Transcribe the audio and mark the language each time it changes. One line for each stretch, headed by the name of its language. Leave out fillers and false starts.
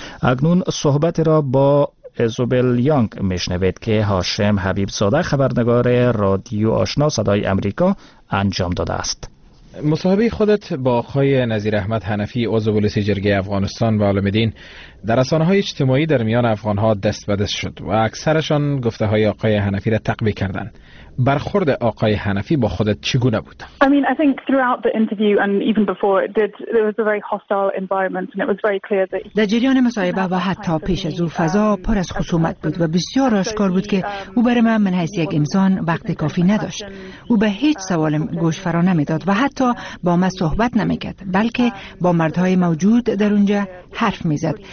Persian: اکنون صحبت را با ایزوبل یانگ میشنوید که هاشم حبیب زاده خبرنگار رادیو آشنا صدای آمریکا انجام داده است. مصاحبه خودت با آقای نظیر احمد حنفی عضو ولسی جرگه افغانستان و عالم دین در رسانه‌های اجتماعی در میان افغان‌ها دست به دست شد و اکثرشان گفته‌های آقای حنفی را تقبیح کردند. برخورد آقای حنفی با خودت چگونه بود؟
English: I mean, I think throughout the interview and even before it did, there was a very hostile environment and it was very clear that
Persian: در جریان مصاحبه و حتی پیش از او فضا پر از خصومت بود و بسیار آشکار بود که او برای من حیث یک انسان وقت کافی نداشت. او به هیچ سوال گوش فرا نمی‌داد و حتی با من صحبت نمی‌کرد، بلکه با مردهای موجود در اونجا حرف می‌زد.